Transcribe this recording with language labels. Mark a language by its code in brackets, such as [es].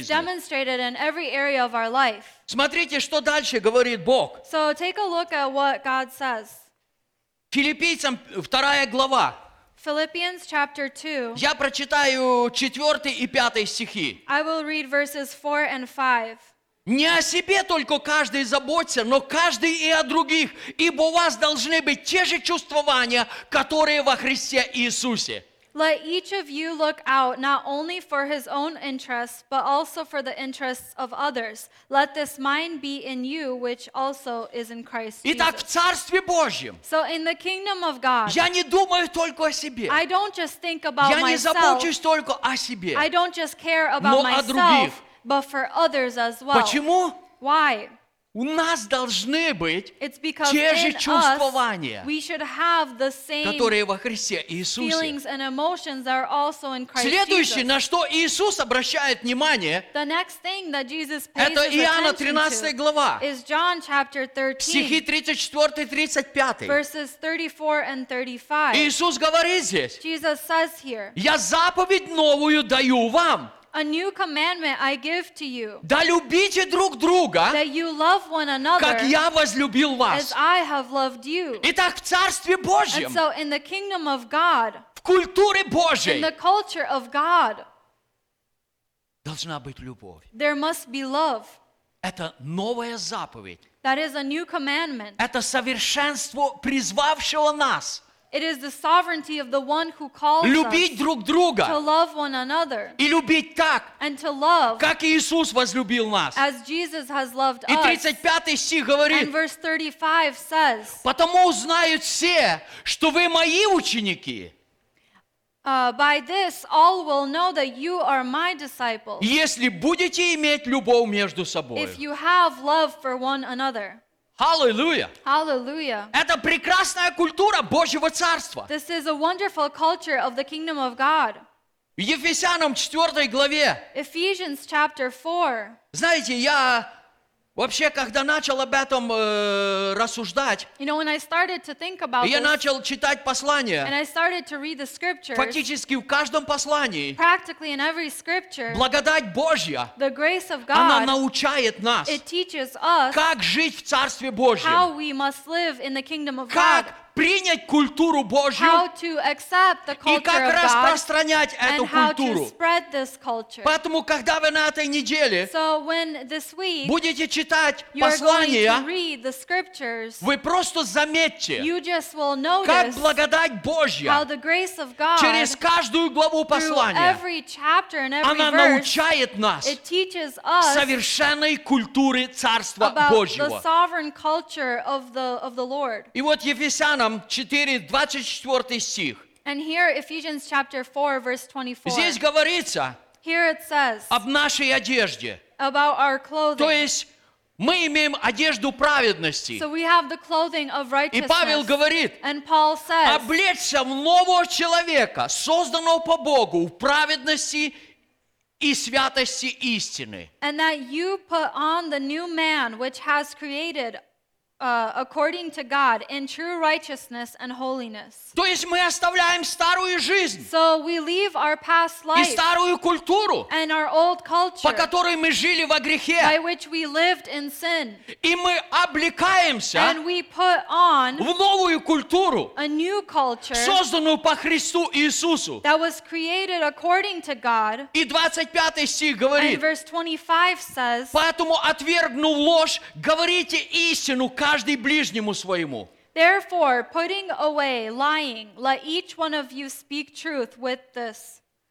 [en] Is demonstrated in every area of our life. [ru] Смотрите, что дальше говорит Бог. [en] So take a look at what God says. [ru] Филиппийцам 2 глава. [en] Philippians chapter 2. [ru] Я прочитаю 4 и 5 стихи. [en] I will read verses 4 and 5. [ru] Не о себе только каждый заботится, но каждый и о других, ибо у вас должны быть те же чувствования, которые во Христе Иисусе. [en] Let each of you look out not only for his own interests, but also for the interests of others. Let this mind be in you, which also is in Christ Jesus. [ru] Итак, в Царстве Божьем. [en] So in the kingdom of God. [ru] Я не думаю только о себе. [en] I don't just think about [ru] я [en] myself. [ru] Я не забочусь только о себе. [en] I don't just care about [ru] но [en] myself. [ru] О других. [en] But for others as well. [ru] Почему? [en] Why? [ru] У нас должны быть те же чувствования, [en] we should have the same [ru] которые во Христе Иисусе. [en] Feelings and emotions are also in Christ [ru] следующее, [en] Jesus. [ru] На что Иисус обращает внимание, [en] the next thing that Jesus pays [ru] это Иоанна 13 глава, [en] is John chapter 13, [ru] стихи 34-35. [en] Verses 34 and 35. [ru] Иисус говорит здесь, [en] Jesus says here, [ru] «Я заповедь новую даю вам». [en] A new commandment I give to you. [ru] Да любите друг друга, [en] that you love one another, [ru] как я возлюбил вас. [en] As I have loved you. [ru] Итак, в Царстве Божьем. [en] And so in the kingdom of God. [ru] В культуре Божьей. [en] In the culture of God. [ru] Должна быть любовь. [en] There must be love. [ru] Это новая заповедь. [en] That is a new commandment. [ru] Это совершенство призвавшего нас. [en] It is the sovereignty of the one who calls [ru] любить [en] us [ru] друг друга, [en] to love one another [ru] и любить так, [en] and to love [ru] как Иисус возлюбил нас. [en] As Jesus has loved [ru] и 35 [en] us. [ru] Стих говорит, [en] and verse 35 says, [ru] «Потому узнают все, что вы мои ученики». [en] By this, all will know that you are my disciples. [ru] Если будете иметь любовь между собой. [en] If you have love for one another. Hallelujah. [ru] Это прекрасная культура Божьего Царства. [en] This is a wonderful culture of the kingdom of God. [ru] В Ефесянам 4 главе. [en] Ephesians chapter 4. [ru] Знаете, я вообще, когда начал об этом рассуждать, [en] you know, when I started to think about [ru] я начал читать послания, [en] and I started to read the scriptures, [ru] фактически в каждом послании, [en] practically in every scripture, [ru] благодать Божья, [en] the grace of God, [ru] она научает нас, [en] it teaches us, [ru] как жить в Царстве Божьем, [en] how we must live in the kingdom of God, [ru] как принять культуру Божью, [en] how to accept the culture [ru] и как [en] of God, [ru] распространять эту [en] and [ru] культуру. [en] How to spread this culture. [ru] Поэтому, когда вы на этой неделе [en] so when this week, [ru] будете читать послания, [en] to read the scriptures, [ru] вы просто заметьте, [en] you just will notice [ru] как благодать Божья [en] how the grace of God, [ru] через каждую главу послания [en] every chapter and every [ru] она [en] verse, [ru] научает нас [en] it teaches us [ru] совершенной культуре Царства [en] about [ru] Божьего. [en] The sovereign culture of the Lord. [ru] И вот Ефесян 4:24 стих. [en] And here Ephesians chapter 4 verse 24. [ru] Здесь говорится. [en] Here it says. [ru] Об нашей одежде. [en] About our clothing. [ru] То есть мы имеем одежду праведности. [en] So we have the clothing of righteousness. [ru] И Павел говорит. [en] And Paul says. [ru] Облечься в нового человека, созданного по Богу в праведности и святости истины. [en] And that you put on the new man which has created according to God in true righteousness and holiness. [ru] То есть мы оставляем старую жизнь. [en] So we leave our past life. [ru] И старую культуру. [en] And our old culture. [ru] По которой мы жили во грехе. [en] By which we lived in sin. [ru] И мы облекаемся. [en] And we put on. [ru] В новую культуру. [en] A new culture. [ru] Созданную по Христу Иисусу. [en] That was created according to God. [ru] И 25 стих говорит. [en] And verse 25 says. [ru] Поэтому отвергнув ложь, говорите истину. Каждый ближнему своему. [en] Therefore, putting away lying, let each one of you speak truth with this.